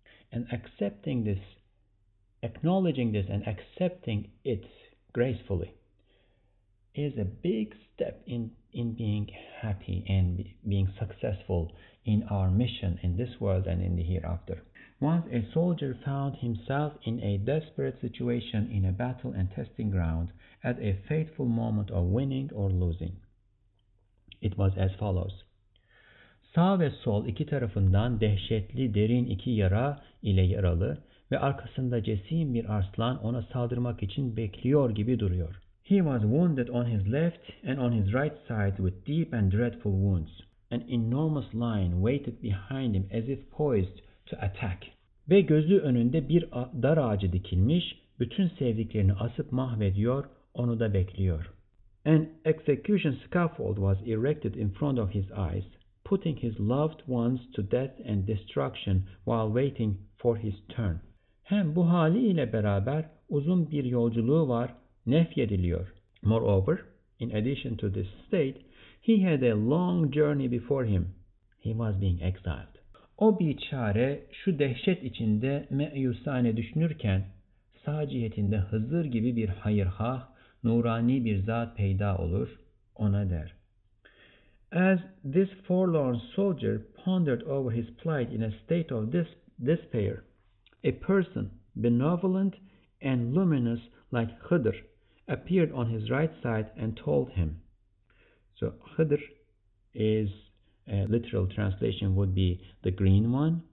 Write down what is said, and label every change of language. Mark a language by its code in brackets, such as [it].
[en] And accepting this, acknowledging this and accepting it gracefully is a big step in being happy and being successful in our mission in this world and in the hereafter. Once a soldier found himself in a desperate situation in a battle and testing ground at a fateful moment of winning or losing. It was as follows. [tr] Sağ ve sol iki tarafından dehşetli derin iki yara ile yaralı ve arkasında cesim bir aslan ona saldırmak için bekliyor gibi duruyor. [en] He was wounded on his left and on his right side with deep and dreadful wounds. An enormous lion waited behind him as if poised to attack. [tr] Ve gözü önünde bir dar ağacı dikilmiş, bütün sevdiklerini asıp mahvediyor, onu da bekliyor. [en] An execution scaffold was erected in front of his eyes, putting his loved ones to death and destruction while waiting for his turn. [tr] Hem bu haliyle beraber uzun bir yolculuğu var, nefyediliyor. [en] Moreover, in addition to this state, he had a long journey before him. He was being exiled. [tr] O biçare şu dehşet içinde meyusane düşünürken, sağ cihetinde Hızır gibi bir hayırhah, nurani bir zat peyda olur, ona der. [en] As this forlorn soldier pondered over his plight in a state of despair, a person benevolent and luminous like Hıdır appeared on his right side and told him. So Khidr is a literal translation would be the green one.